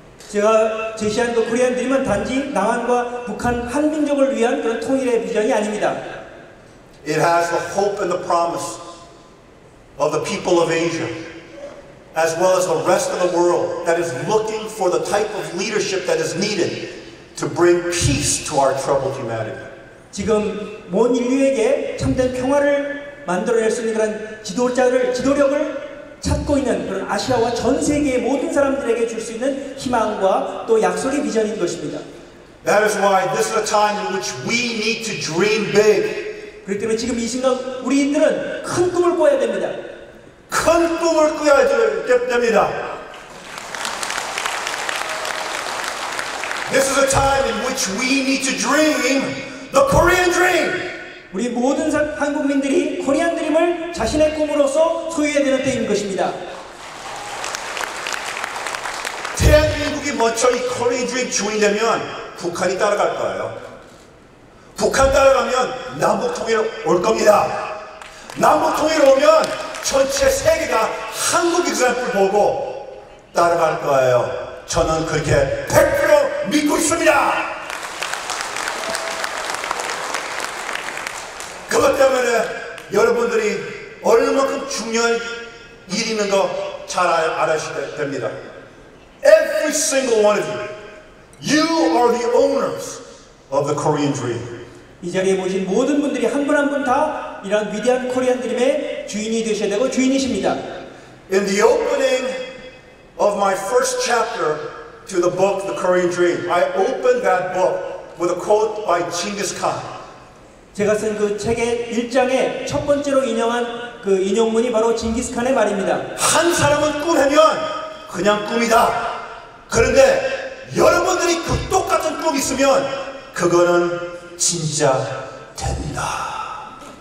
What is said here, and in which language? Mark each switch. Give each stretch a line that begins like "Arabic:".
Korean: 제가 제시한 그 Korean Dream은 단지 남한과 북한 한 민족을 위한 그런 통일의 비전이 아닙니다.
English: It has the hope and the promise of the people of Asia as well as the rest of the world that is looking for the type of leadership that is needed to bring peace to our troubled humanity.
Korean: 지금 온 인류에게 참된 평화를 만들어낼 수 있는 그런 지도자를 지도력을 찾고 있는 그런 아시아와 전 세계의 모든 사람들에게 줄 수 있는 희망과 또 약속의 비전인 것입니다.
English: That is why this is a time in which we need to dream big.
Korean: 그렇기 때문에 지금 이 순간 우리들은 큰 꿈을 꿔야 됩니다. 큰 꿈을 꿔야 됩니다.
English: This is a time in which we need to dream the Korean dream.
Korean: 우리 모든 한국민들이 코리안 드림을 자신의 꿈으로서 소유해야 되는 때인 것입니다. 대한민국이 먼저 이 코리안 드림 주인 되면 북한이 따라갈 거예요. 북한 따라가면 남북통일 올 겁니다. 남북통일 오면 전체 세계가 한국 이그램을 보고 따라갈 거예요. 저는 그렇게 100% 믿고 있습니다. 그것 때문에 여러분들이 얼마큼 중요한 일이 있는 거 잘 알아야 됩니다.
English: Every single one of you, you are the owners of the Korean dream.
Korean: 이 자리에 모신 모든 분들이 한 분 한 분 다 이런 위대한 코리안 드림의 주인이 되셔야 되고 주인이십니다.
English: In the opening of my first chapter to the book, The Korean Dream, I opened that book with a quote by Genghis Khan.
Korean: 제가 쓴 그 책의 1장에 첫 번째로 인용한 그 인용문이 바로 징기스칸의 말입니다. 한 사람은 꿈하면 그냥 꿈이다. 그런데 여러분들이 그 똑같은 꿈이 있으면 그거는 진짜 된다.